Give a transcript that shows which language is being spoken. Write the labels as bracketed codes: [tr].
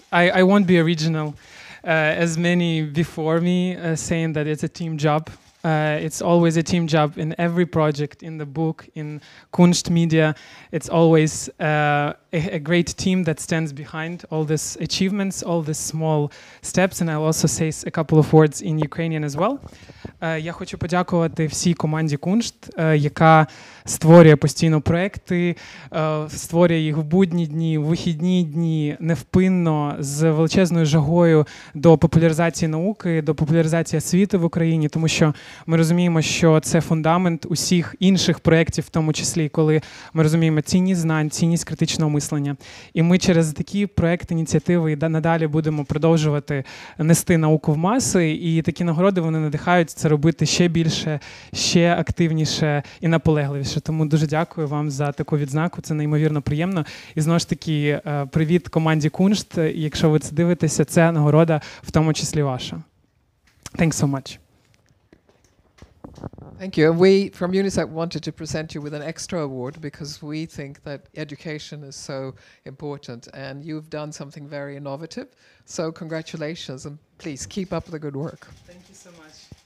[en] I won't be original, as many before me saying that it's a team job. It's always a team job in every project, in the book, in Kunst Media. It's always a great team that stands behind all these achievements, all these small steps. And I'll also say a couple of words in Ukrainian as well. [uk] Я хочу подякувати всій команді Kunst, яка створює постійно проекти, створює їх в будні дні, в вихідні дні, невпинно, з величезною жагою до популяризації науки, до популяризації освіти в Україні, тому що ми розуміємо, що це фундамент усіх інших проєктів, в тому числі, коли ми розуміємо цінність знань, цінність критичного мислення. І ми через такі проєкти, ініціативи надалі будемо продовжувати нести науку в маси, і такі нагороди вони надихають це робити ще більше, ще активніше і наполегливіше. Тому дуже дякую вам за таку відзнаку, це неймовірно приємно. І знову ж таки, привіт команді Kunst, якщо ви це дивитеся, це нагорода в тому числі ваша. [en] Thanks so much. Thank you. And we from UNICEF wanted to present you with an extra award because we think that education is so important and you've done something very innovative. So congratulations and please keep up the good work. Thank you so much.